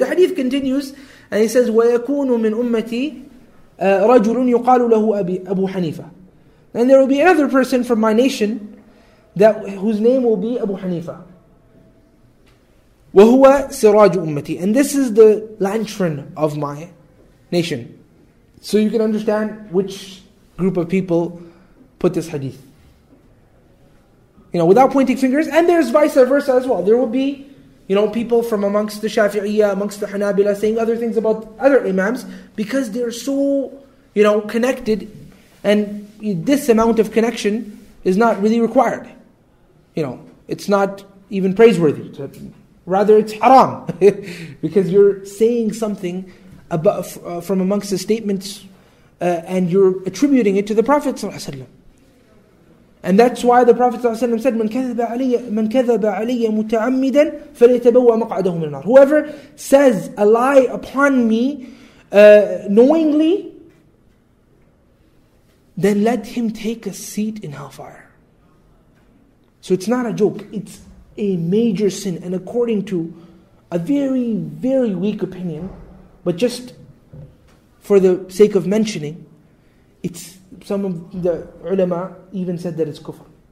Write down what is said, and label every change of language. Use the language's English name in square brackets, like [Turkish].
[English] The hadith continues and he says, [Arabic] وَيَكُونُ مِنْ أُمَّتِي رَجُلٌ يُقَالُ لَهُ أَبُو حَنِيفَةٌ. [English] And there will be another person from my nation that whose name will be Abu Hanifa. [Arabic] وَهُوَ سِرَاجُ أُمَّتِي. [English] And this is the lantern of my nation. So you can understand which group of people put this hadith. You know, without pointing fingers, and there's vice versa as well. There will be, you know, people from amongst the Shafi'iyya, amongst the Hanabila, saying other things about other imams, because they're so, you know, connected, and this amount of connection is not really required. You know, it's not even praiseworthy. Rather, it's haram, because you're saying something about, from amongst the statements, and you're attributing it to the Prophet ﷺ. And that's why the Prophet ﷺ said, [Arabic] مَنْ كَذَبَ عَلَيَّ مُتَعَمِّدًا فَلَيْتَبَوَّ مَقْعَدَهُ مِنَ النَّارِ. [English] Whoever says a lie upon me knowingly, then let him take a seat in hellfire. So it's not a joke. It's a major sin. And according to a very, very weak opinion, but just for the sake of mentioning, it's some of the ulama even said that it's kufr.